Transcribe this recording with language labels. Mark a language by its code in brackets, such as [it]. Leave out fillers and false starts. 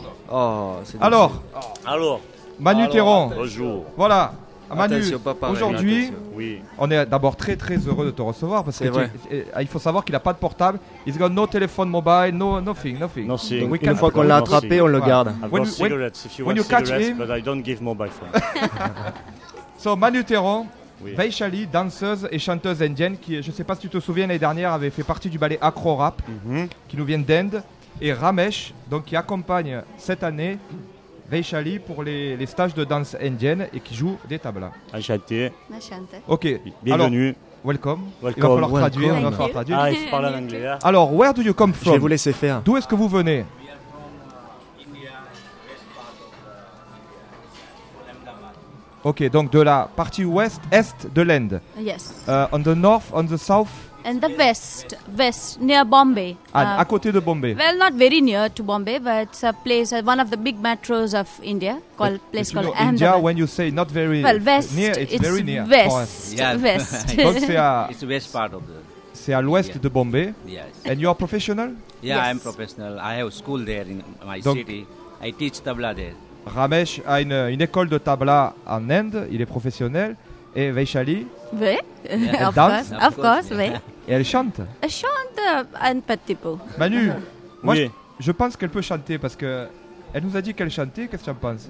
[fr] Oh, c'est alors. Alors. Manu Théron. Bonjour. Voilà. Attention, Manu, pareil, aujourd'hui, oui. On est d'abord très très heureux de te recevoir parce c'est que il faut savoir qu'il n'a pas de portable. [en] He's got no telephone mobile, nothing. Nothing. [fr] Une fois qu'on l'a attrapé, on le garde. [en] When you catch him, but I don't give mobile phone. So, Manu Théron. Oui. [fr] Vaishali, danseuse et chanteuse indienne qui, je ne sais pas si tu te souviens, l'année dernière avait fait partie du ballet Acro Rap, qui nous vient d'Inde, et Ramesh, donc qui accompagne cette année Vaishali pour les stages de danse indienne et qui joue des tablas. Enchanté. Ok. Bienvenue. [en] Welcome. Welcome. [fr] Il va falloir traduire. Ah, il faut parler en anglais. [en] Alors, where do you come from? [fr] Je vais vous laisser faire. D'où est-ce que vous venez? Ok, donc de la partie ouest, est de l'Inde. [en] Yes. On the north, on the south. And the west, near Bombay. [fr] À côté de Bombay. [en] Well, not very near to Bombay, but it's a place, one of the big metros of India, called called Ahmedabad. India, when you say not very near, it's very near. West, yeah. West. [fr] Donc c'est à, [en] it's the west part of the... [fr] C'est à l'ouest de Bombay. [en] Yes. And you are professional? Yeah, yes. I'm professional. I have school there in my city. I teach tabla there. [fr] Ramesh a une école de tabla en Inde, il est professionnel. Et Vaishali? Oui, elle danse. [en] Of course, oui. [fr] Et elle chante? Elle chante un petit peu. Manu, moi oui. je pense qu'elle peut chanter parce qu'elle nous a dit qu'elle chantait. Qu'est-ce que tu en penses?